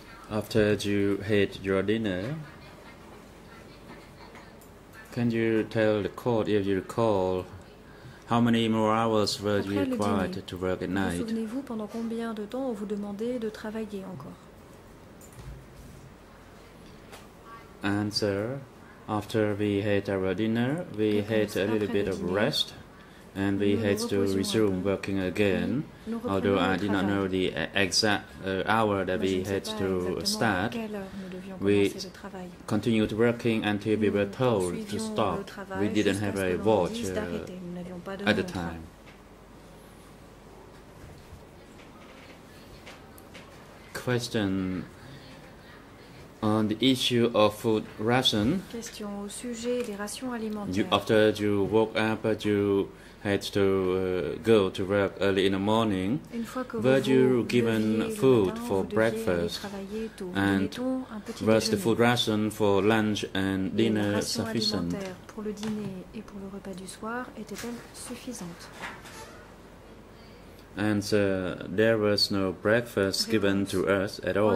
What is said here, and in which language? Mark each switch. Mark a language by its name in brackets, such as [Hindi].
[English] After you had your dinner, can you tell the court, if you recall, how many more hours were you required to work at night? [French] Souvenez-vous pendant combien de temps on vous demandait de travailler encore? [English] Answer. After we had our dinner, we had a little bit of rest. And we had to resume working again, although I did not know the exact hour that we had to start. We continued working until we were told to stop. We didn't have a watch at the time. Question on the issue of food ration. [French] Question au sujet des rations alimentaires. [English] After you woke up, you had to go to work early in the morning. Were you given food for breakfast? And was the food ration for lunch and dinner sufficient? [French] Pour le dîner et pour le repas du soir, était-elle suffisante? [English] Answer, there was no breakfast given to us at all.